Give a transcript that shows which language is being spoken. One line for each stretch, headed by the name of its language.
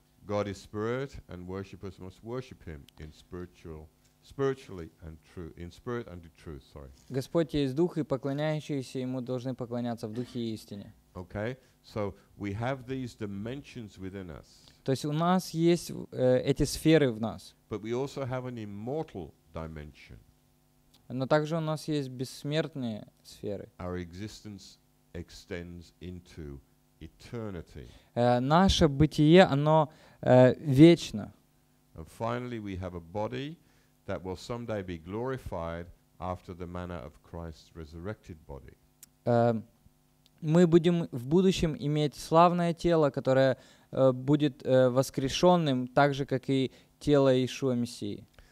English: God is spirit, and worshippers must worship him in spiritually and true, in spirit and in truth. Sorry.
Russian: Господь есть дух, и поклоняющиеся ему должны поклоняться в духе и истине.
English: Okay, so we have these dimensions within us.
Russian: То есть у нас есть эти сферы в нас.
English: But we also have an immortal dimension.
Russian: Но также у нас есть бессмертные сферы.
English: Our existence extends into eternity.
Russian: Наше бытие, оно вечно.
English: And finally, we have a body that will someday be glorified after the manner of Christ's resurrected body.
Russian: Мы будем в будущем иметь славное тело, которое будет воскрешенным, так же, как и тело Иешуа Мессии.